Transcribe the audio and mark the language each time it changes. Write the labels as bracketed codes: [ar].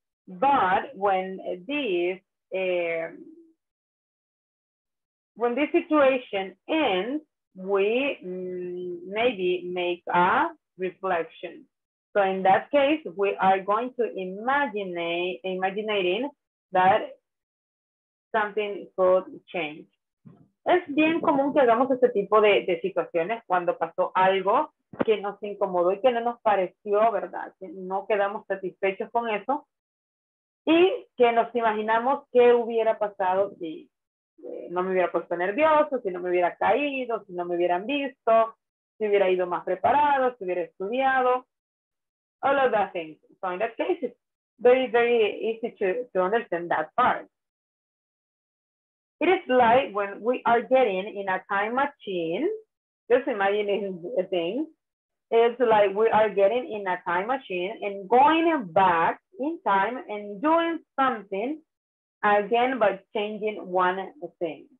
[en] But when this when this situation ends, we maybe make a reflection. So in that case, we are going to imagining that something could change. [es] Es bien común que hagamos este tipo de situaciones cuando pasó algo que nos incomodó y que no nos pareció, ¿verdad? Que no quedamos satisfechos con eso y que nos imaginamos qué hubiera pasado si no me hubiera puesto nervioso, si no me hubiera caído, si no me hubieran visto, si hubiera ido más preparado, si hubiera estudiado. [en] All of that things. So in that case, it's very, very easy to understand that part. It is like when we are getting in a time machine, just imagining a thing, it's like we are getting in a time machine and going back in time and doing something again by changing one thing.